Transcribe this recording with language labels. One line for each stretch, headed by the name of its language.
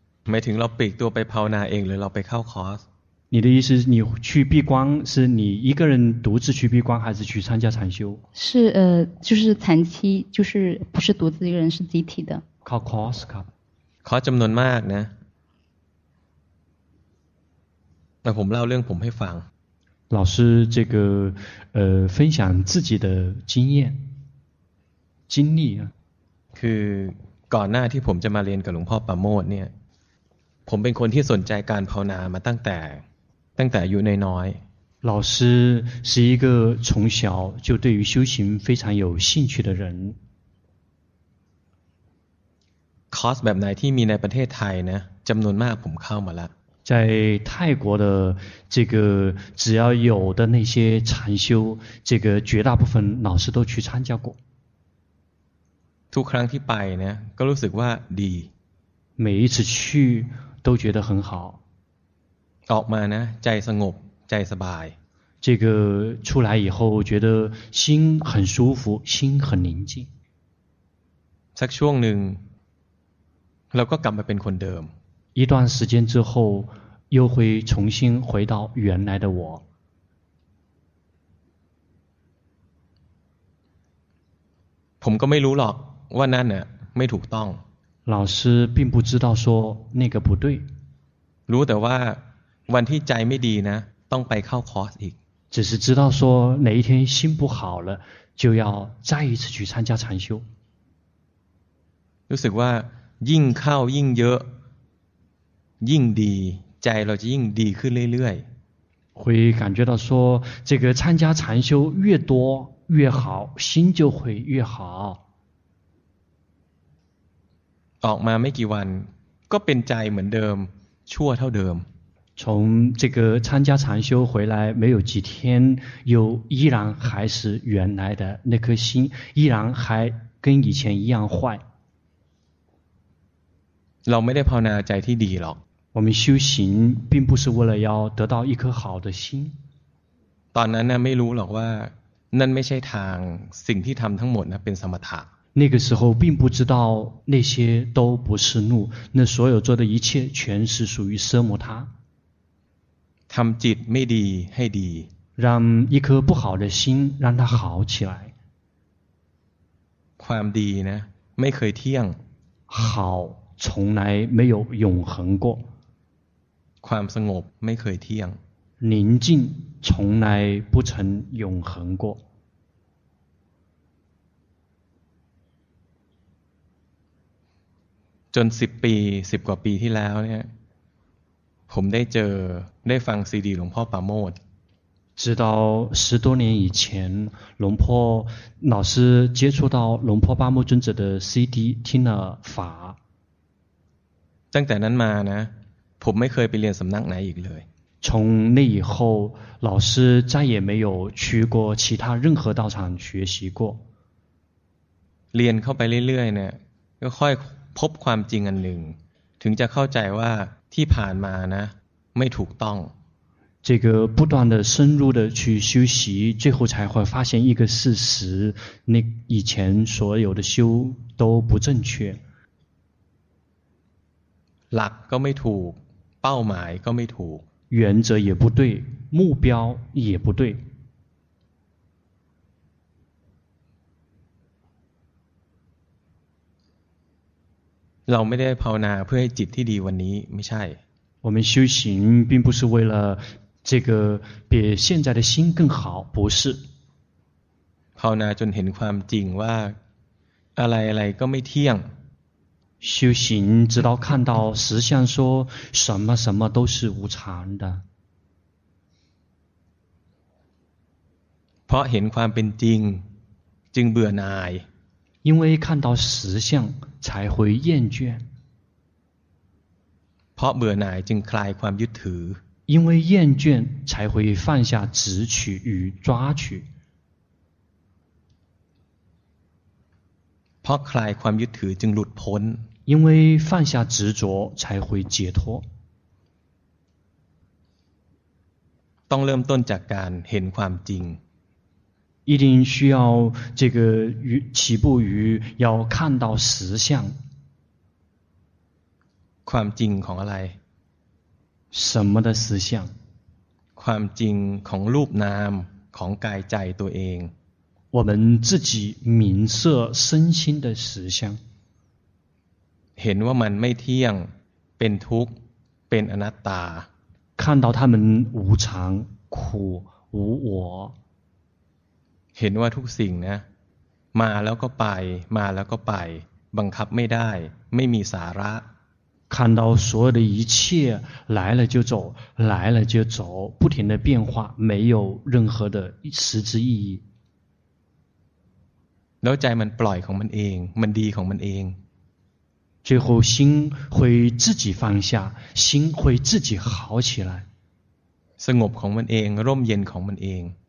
Thai: หมายถึงเราปลีกตัวไปภาวนาเองหรือเราไปเข้าคอร์ส
Chinese: 你的意思是你去闭关是你一个人独自去闭关还是去参加禅修是就是禅期就是不是独自一个人是集体的靠 course 靠
Thai: 靠จำนวนมากนะแต่ผมเล่าเรื่องผมให้ฟัง
Chinese: 老师这个分享自己的经验经历啊
Thai: คือก่อนหน้าที่ผมจะมาเรียนกับหลวงพ่อประโมทเนี่ยผมเป็นคนที่สนใจการภาวนามาตั้งแต่อยู่ในน้อย
Chinese: 老师是一个从小就对于修行非常有兴趣的人
Thai: คอร์สแบบไหนที่มีในประเทศไทยนะจำนวนมากผมเข้ามาแล้ว
Chinese: 在泰国的这个只要有的那些禅修这个绝大部分老师都去参加过
Thai: ทุกครั้งที่ไปนะก็รู้สึกว่าดี
Chinese: 每一次去都觉得很好
Thai: ออกมานะใจสงบใจสบาย
Chinese: 这个出来以后觉得心很舒服心很宁静
Thai: สักช่วงหนึ่งเราก็กลับมาเป็นคนเดิม
Chinese: 一段时间之后又会重新回到原来的我
Thai: ผมก็ไม่รู้หรอกว่านั่นน่ะไม่ถูกต้อง
Chinese: 老师并不知道说那个不对
Thai: รู้แต่ว่าวันที่ใจไม่ดีนะต้องไปเข้าคอร์สอีก
Chinese: 只是知道说哪一天心不好了就要再一次去参加禅修
Thai: รู้สึกว่ายิ่งเข้ายิ่งเยอะยิ่งดีใจเราจะยิ่งดีขึ้นเรื่อย
Chinese: ๆ会感觉到说这个参加禅修越多越好心就会越好
Thai: ออกมาไม่กี่วันก็เป็นใจเหมือนเดิมชั่วเท่าเดิม
Chinese: 从这个参加禅修回来没有几天又依然还是原来的那颗心依然还跟以前一样坏
Thai: เราไม่ได้ภาวนาใจที่ดีหรอก
Chinese: 我们修行并不是为了要得到一颗好的心
Thai: ตอนนั้นนะไม่รู้หรอกว่านั่นไม่ใช่ทางสิ่งที่ทำทั้งหมดนะเป็นสมถะ
Chinese: 那个时候并不知道那些都不是路那所有做的一切全是属于奢摩他
Thai: ทำจิตไม่ดีให้ดี
Chinese: 让一颗不好的心让它好起来
Thai: ความดีนะไม่เคยเที่ยง
Chinese: 好从来没有永恒过
Thai: ความสงบไม่เคยเที่ยง
Chinese: 宁静从来不曾永恒过
Thai: จน10ปี10กว่าปีที่แล้วเนี่ยผมได้เจอได้ฟังซีดีหลวงพ่อปาโมด
Chinese: 直到十多年以前龙坡老师接触到龙坡巴木尊者的 CD 听了法
Thai: ตั้งแต่นั้นมานะผมไม่เคยไปเรียนสำนักไหนอีกเลย
Chinese: 从那以后老师再也没有去过其他任何道场学习过
Thai: เรียนเข้าไปเรื่อยๆเนี่ยก็ค่อยพบความจริงอันหนึ่งถึงจะเข้าใจว่าที่ผ่านมานะไม่ถูกต้อง
Chinese: 这个不断的深入的去修习最后才会发现一个事实那以前所有的修都不正确
Thai: หลักก็ไม่ถูกเป้าหมายก็ไม่ถูก
Chinese: 原则也不对目标也不对
Thai: เราไม่ได้ภาวนาเพื่อให้จิตที่ดีวันนี้ไม่ใช่
Chinese: 我们修行并不是为了这个比现在的心更好不是
Thai: ภาวนาจนเห็นความจริงว่าอะไรอะไรก็ไม่เที่ยง
Chinese: 修行直到看到实相说什么什么都是无常的
Thai: เพราะเห็นความเป็นจริงจึงเบื่อหน่าย
Chinese: 因为看到实相才会厌倦
Thai: เพราะเบื่อหน่ายจึงคลายความยึดถือ
Chinese: 因为厌倦才会放下执取与抓取
Thai: เพราะคลายความยึดถือจึงหลุดพ้น
Chinese: 因为放下执着才会解脱
Thai: ต้องเริ่มต้นจากการเห็นความจริง
Chinese: 一定需要这个起步于要看到实相
Thai: ความจริงของอะไร
Chinese: 什么的实相
Thai: ความจริงของรูปนามของกายใจตัวเอง
Chinese: 我们自己明摄身心的实相
Thai: เห็นว่ามันไม่เที่ยงเป็นทุกข์เป็นอนัตตา
Chinese: 看到他们无常苦无我
Thai: เห็นว่าทุกสิ่งนะมาแล้วก็ไปมาแล้วก็ไปบังคับไม่ได้ไม่มีสาระ
Chinese: 看到所有的一切来了就走来了就走不停的变化没有任何的实质意义
Thai: แล้วใจมันปล่อยของมันเองมันดีของมันเอง
Chinese: 最后心会自己放下心会自己好起来
Thai: สงบของมันเองร่มเย็นของมันเอง